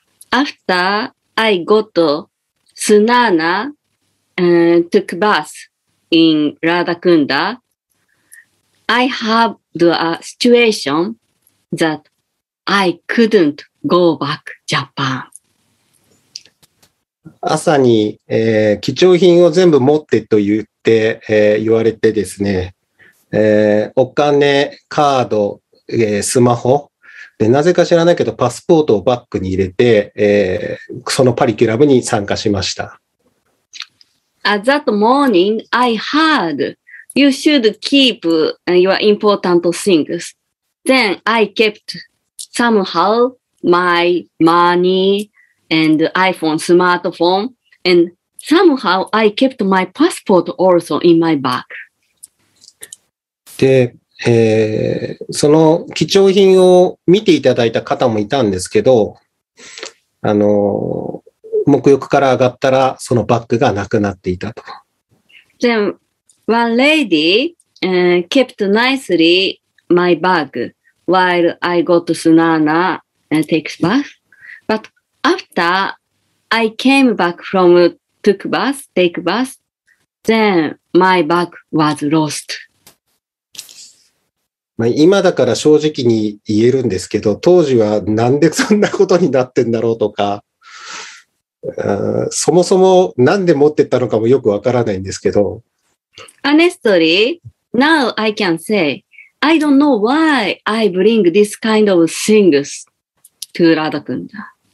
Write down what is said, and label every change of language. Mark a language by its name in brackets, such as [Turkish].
[English] After I got Sunana and took bath in Radha Kunda, I had a situation that I couldn't go back Japan. [Japanese] 朝に、貴重品を全部持ってと言って、言われてですね、お金、カード、スマホ、で、なぜか知らないけど、パスポートをバッグに入れて、そのパリキュラムに参加しました。 [English] At that morning, I heard you should keep your important things. Then I kept somehow my money and iPhone, smartphone, and somehow I kept my passport also in my bag. [Japanese] で、その貴重品を見ていただいた方もいたんですけど、沐浴から上がったら、そのバッグがなくなっていたと。 [English] Then, one lady, kept nicely my bag while I got Sunana and takes bath. But after I came back from take bath, then my bag was lost. [Japanese] まあ、今だから正直に言えるんですけど、当時はなんでそんなことになってんだろうとか、そもそもなんで持ってったのかもよくわからないんですけど。 [English] Honestly, now I can say, I don't know why I bring this kind of things to Radha Kunda.